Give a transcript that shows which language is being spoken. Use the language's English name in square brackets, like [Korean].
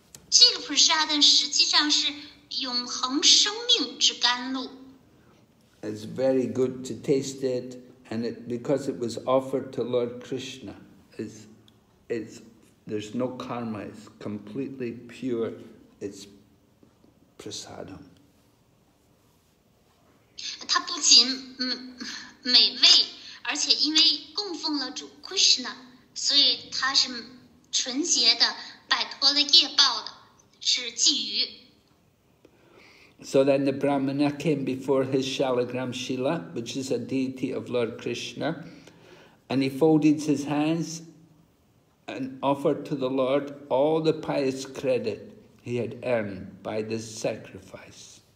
[Chinese] 这个 prasad 实际上是永恒生命之甘露。 [English] It's very good to taste it, and it because it was offered to Lord Krishna, it's there's no karma, it's completely pure, it's prasadam. [Chinese] 它不仅美味，而且因为供奉了主Krishna，所以它是纯洁的，摆脱了业报的，是觊觎。 [English] So then the Brahmana came before his Shalagram Shila, which is a deity of Lord Krishna, and he folded his hands and offered to the Lord all the pious credit he had earned by this sacrifice.